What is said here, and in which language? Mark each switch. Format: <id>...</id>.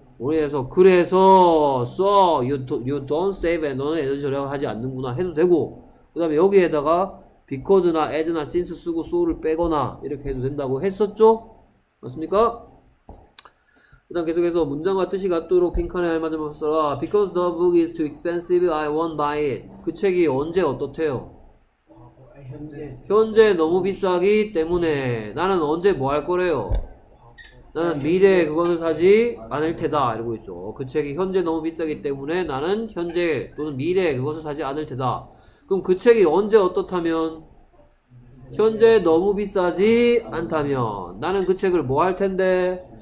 <ko>원인에서 그래서 써.</ko> <en>You don't save.</en> <ko>너는 에너지 절약하지 않는구나 해도 되고. 그다음에 여기에다가 because나 as나 since 쓰고 so를 빼거나 이렇게 해도 된다고 했었죠? 맞습니까? 일단 계속해서 문장과 뜻이 같도록 빈칸에 알맞은 말 써라.</ko> <en>Because the book is too expensive, I won't buy it.</en> <ko>그 책이 언제 어떻대요? 현재 너무 비싸기 때문에 나는 언제 뭐할 거래요? 나는 미래에 그것을 사지 않을 테다. 이러고 있죠. 그 책이 현재 너무 비싸기 때문에 나는 현재 또는 미래에 그것을 사지 않을 테다. 그럼 그 책이 언제 어떻다면? 현재 너무 비싸지 않다면 나는 그 책을 뭐할 텐데?</ko>